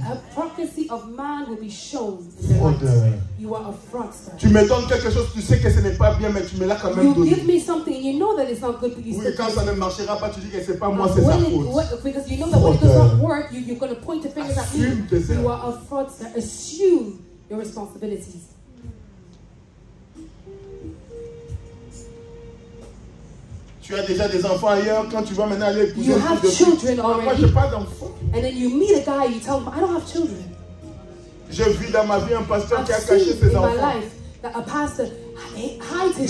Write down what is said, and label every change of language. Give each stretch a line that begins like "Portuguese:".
English: Hypocrisy of man will be shown. You are a fraudster.
French: Tu me donnes quelque chose, tu sais que ce n'est pas bien, mais tu me l'as quand même
English: you
French: donné.
English: Give me something, you know that it's not good,
French: oui, quand ça ne marchera pas, tu dis que c'est pas moi, c'est sa faute.
English: Because you know that when it does not work, you're going to point a finger at me. You are a fraudster. Assume your responsibilities.
French: Tu as déjà des enfants ailleurs quand tu vas maintenant aller épouser.
English: You have children already.
French: Moi, je n'ai pas d'enfants.
English: And then you meet a guy, you tell him, I don't have children.
French: Je vis dans ma vie un pasteur qui a caché ses enfants.
English: In my life, that a pastor hides his